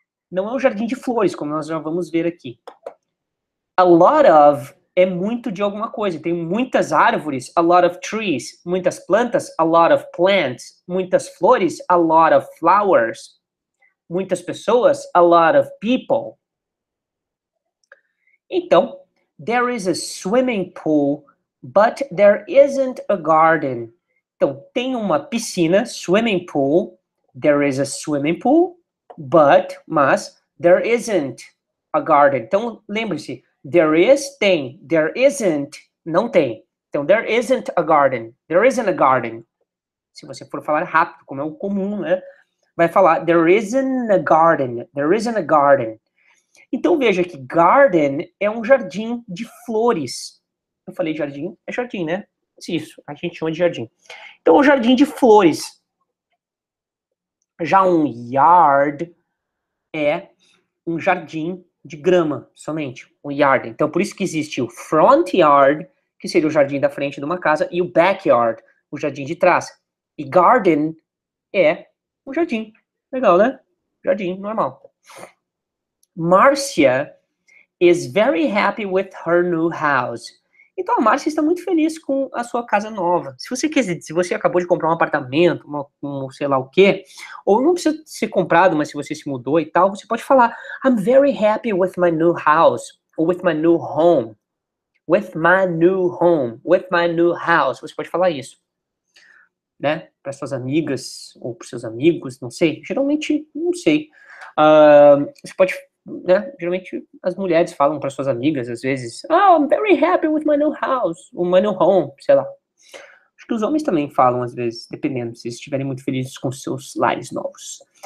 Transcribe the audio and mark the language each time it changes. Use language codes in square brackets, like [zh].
[pt] Não é o jardim de flores, como nós já vamos ver aqui. A lot of é muito de alguma coisa. Tem muitas árvores, [en] a lot of trees. [pt] Muitas plantas, [en] a lot of plants. [pt] Muitas flores, [en] a lot of flowers. [pt] Muitas pessoas, [en] a lot of people. Então, there is a swimming pool, but there isn't a garden. [pt] Então, tem uma piscina, [en] swimming pool. There is a swimming pool, but, [pt] mas, [en] there isn't a garden. [pt] Então, lembre-se, [en] there is, [pt] tem. [en] There isn't, [pt] não tem. [en] Então, there isn't a garden. There isn't a garden. [pt] Se você for falar rápido, como é o comum, né? [en] Vai falar, there isn't a garden. There isn't a garden. [pt] Então, veja que garden é um jardim de flores. Eu falei jardim, é jardim, né? Isso, a gente chama de jardim. Então, um jardim de flores. Já um yard é um jardim de grama, somente. Um yard. Então, por isso que existe o front yard, que seria o jardim da frente de uma casa, e o backyard, o jardim de trás. E garden é um jardim. Legal, né? Jardim, normal. [en] Marcia is very happy with her new house. [pt] Então, a Marcia está muito feliz com a sua casa nova. Se você quiser, se você acabou de comprar um apartamento, um sei lá o quê, ou não precisa ser comprado, mas se você se mudou e tal, você pode falar, [en] I'm very happy with my new house, or with my new home. With my new home, with my new house. [pt] Você pode falar isso, né? Para suas amigas, ou para seus amigos, não sei. Geralmente, não sei. Você pode... Né? Geralmente as mulheres falam para suas amigas às vezes, oh, [en] I'm very happy with my new house, [pt] ou [en] my new home, [pt] sei lá. Acho que os homens também falam às vezes, dependendo se estiverem muito felizes com seus lares novos.